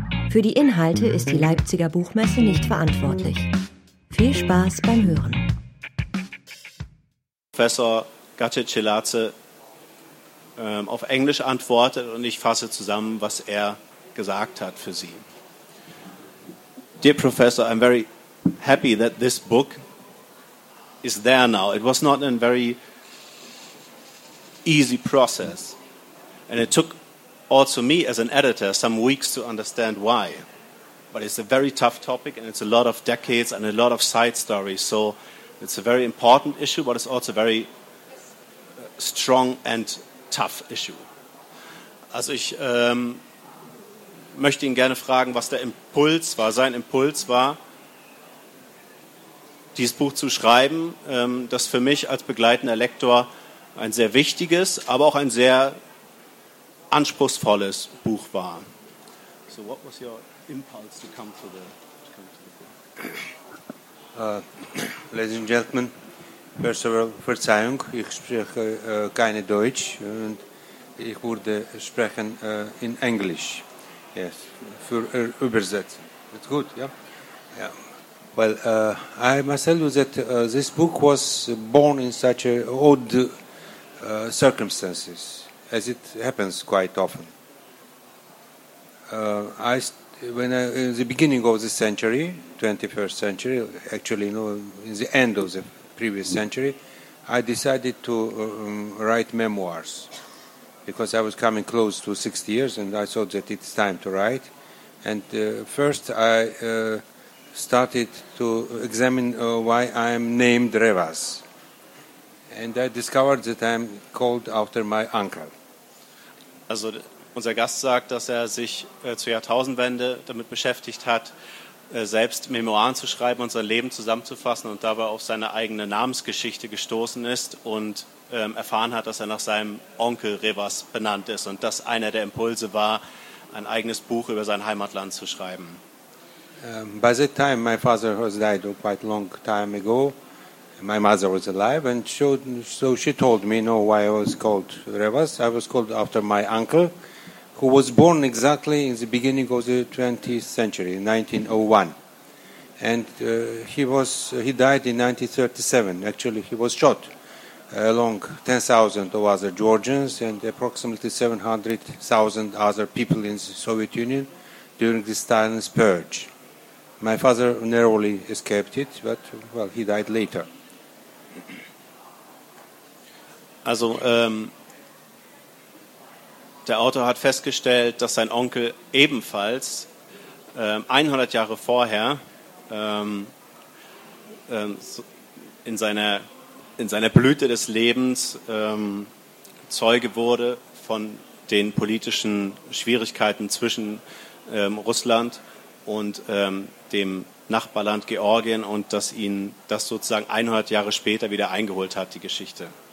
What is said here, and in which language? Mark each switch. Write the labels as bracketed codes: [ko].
[de] Für die Inhalte ist die Leipziger Buchmesse nicht verantwortlich. Viel Spaß beim Hören. Professor Gacicelace auf Englisch antwortet und ich fasse zusammen, was er gesagt hat für Sie. [en] Dear Professor, I'm very happy that this book is there now. It was not a very easy process. And it took also me as an editor some weeks to understand why. But it's a very tough topic and it's a lot of decades and a lot of side stories. So it's a very important issue, but it's also a very strong and tough issue. [de] Also ich möchte ihn gerne fragen, was der Impuls war, sein Impuls war, dieses Buch zu schreiben, das für mich als begleitender Lektor ein sehr wichtiges, aber auch ein sehr anspruchsvolles Buch war. [en] So what was your impulse to come to the book? Ladies and gentlemen, first of all, [de] Verzeihung, ich spreche keine Deutsch und ich würde sprechen in Englisch. [en] Yes, [de] für Übersetzung. [en] It's good, yeah? Yeah. Well, I must tell you that this book was born in such odd circumstances, as it happens quite often. In the beginning of the century, 21st century, actually, no, in the end of the previous century, I decided to write memoirs, because I was coming close to 60 years, and I thought that it's time to write. And first, I started to examine why I'm named Revaz. And I discovered that I'm called after my uncle. [de] Also unser Gast sagt, dass er sich zur Jahrtausendwende damit beschäftigt hat, selbst Memoiren zu schreiben und sein Leben zusammenzufassen und dabei auf seine eigene Namensgeschichte gestoßen ist und erfahren hat, dass er nach seinem Onkel Revaz benannt ist und dass einer der Impulse war, ein eigenes Buch über sein Heimatland zu schreiben. [en] By that time my father has died quite a long time ago. My mother was alive and so she told me, no, why I was called Revaz. I was called after my uncle, who was born exactly in the beginning of the 20th century, 1901. And he died in 1937. Actually, he was shot along 10,000 of other Georgians and approximately 700,000 other people in the Soviet Union during the Stalin's purge. My father narrowly escaped it, but, well, he died later. [de] Also der Autor hat festgestellt, dass sein Onkel ebenfalls 100 Jahre vorher in seiner Blüte des Lebens Zeuge wurde von den politischen Schwierigkeiten zwischen Russland und dem Nachbarland Georgien und dass ihn das sozusagen 100 Jahre später wieder eingeholt hat, die Geschichte.